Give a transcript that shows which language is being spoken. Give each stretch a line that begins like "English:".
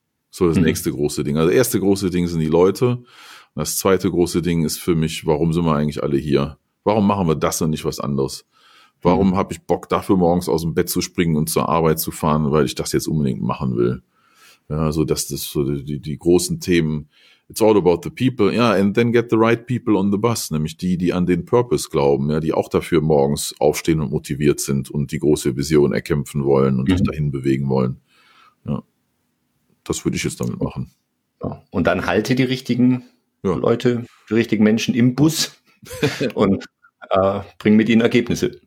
German: So das nächste große Ding. Also das erste große Ding sind die Leute. Und das zweite große Ding ist für mich, warum sind wir eigentlich alle hier? Warum machen wir das und nicht was anderes? Warum habe ich Bock, dafür morgens aus dem Bett zu springen und zur Arbeit zu fahren, weil ich das jetzt unbedingt machen will? Ja, so das ist so die großen Themen.
English: It's all about the people.
German: Ja,
English: yeah, and then get the right people on the bus.
German: Nämlich die an den Purpose glauben. Ja, die auch dafür morgens aufstehen und motiviert sind und die große Vision erkämpfen wollen und sich dahin bewegen wollen. Ja. Das würde ich jetzt damit machen. Ja. Und dann halte die richtigen Leute, die richtigen Menschen im Bus und bring mit ihnen Ergebnisse.